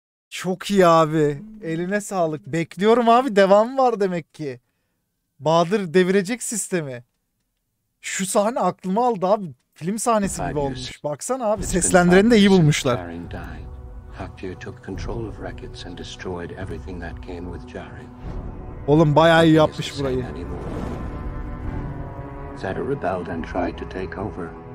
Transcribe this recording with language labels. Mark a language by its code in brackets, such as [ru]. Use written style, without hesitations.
[tr] Çok iyi abi. Eline sağlık. Bekliyorum abi. Devam var demek ki. Bahadır devirecek sistemi. Şu sahne aklıma aldı abi. Film sahnesi gibi olmuş. Baksana abi. Seslendireni de iyi bulmuşlar. [en] Hapir took control of Wreckets and destroyed everything that came with Jaren. [tr] Oğlum bayağı iyi yapmış burayı. [en] Zeta rebelled and tried to take over.